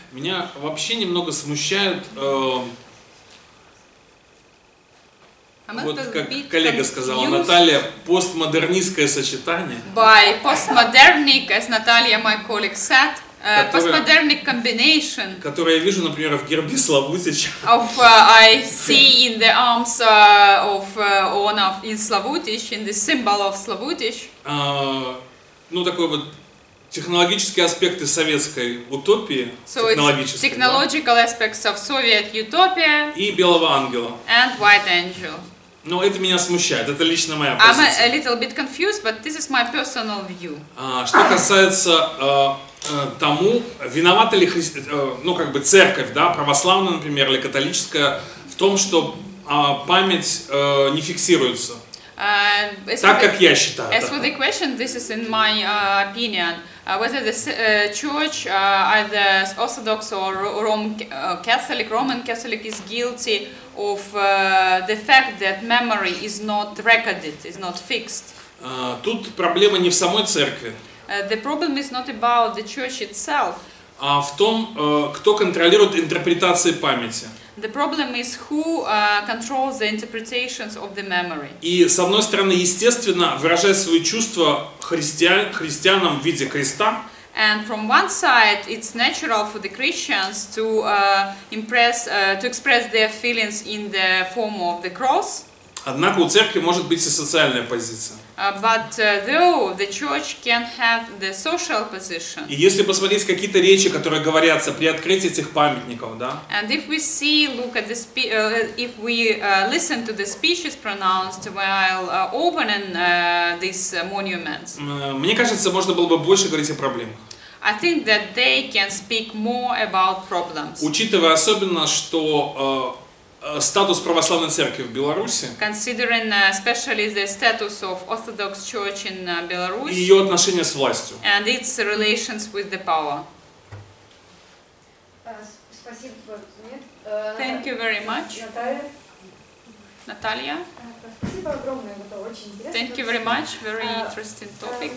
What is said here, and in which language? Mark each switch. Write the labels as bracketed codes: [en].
[ru] Меня вообще немного смущает. Вот как коллега сказала, Наталья, постмодернистское сочетание. [en] By postmodernic, as Natalia, my colleague said. Postmodernic combination. [ru] Которую я вижу, например, в гербе Славутича. [en] Of I see in the arms of one of in Slavutich, in the symbol of Slavutich. [ru] Ну такой вот технологические аспекты советской утопии. [en] So it's technological aspects of Soviet utopia. [ru] И белого ангела. [en] And white angel. [ru] Но это меня смущает, это лично моя позиция. [en] I'm a little bit confused, but this is my personal view. [ru] Что касается тому, виновата ли ну, как бы церковь, да, православная, например, или католическая, в том, что память не фиксируется. Так как я считаю. [en] As for the question, this is in my opinion. Whether the church, either Orthodox or Roman Catholic is guilty of the fact that memory is not recorded, is not fixed. [ru] Тут проблема не в самой церкви. [en] The problem is not about the church itself. [ru] А в том, кто контролирует интерпретации памяти. [en] The problem is who controls the interpretations of the memory. [ru] И с одной стороны, естественно, выражать свои чувства христианам в виде креста. [en] And from one side, it's natural for the Christians to express their feelings in the form of the cross. [ru] Однако у церкви может быть и социальная позиция. [en] But though the church can have the social position. [ru] И если посмотреть какие-то речи, которые говорятся при открытии этих памятников, да? [en] And if we see, look at the if we listen to the speeches pronounced while opening these monuments. [ru] Мне кажется, можно было бы больше говорить о проблемах. [en] I think that they can speak more about problems. [ru] Учитывая особенно, что статус православной церкви в Беларуси. [en] Considering especially the status of Orthodox Church in Belarus. [ru] И ее отношения с властью. [en] And its relations with the power. [ru] Спасибо. [en] Thank you very much. [ru] Наталья. Наталья. Спасибо огромное, это очень интересно. [en] Thank you very much, very interesting topic.